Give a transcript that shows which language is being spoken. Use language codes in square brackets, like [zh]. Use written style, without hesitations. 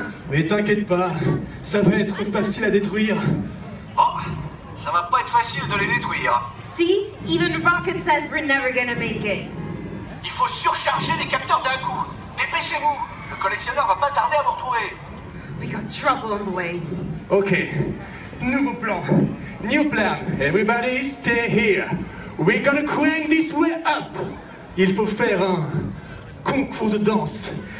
[fr] Mais t'inquiète pas, ça va être facile à détruire. Bon, ça va pas être facile de les détruire. [en] See, even Rocket says we're never gonna make it. [fr] Il faut surcharger les capteurs d'un coup. Dépêchez-vous, le collectionneur va pas tarder à vous retrouver. [en] We got trouble on the way. Ok, [fr] nouveau plan. [en] New plan, everybody stay here. We're gonna crank this way up. [fr] Il faut faire un concours de danse.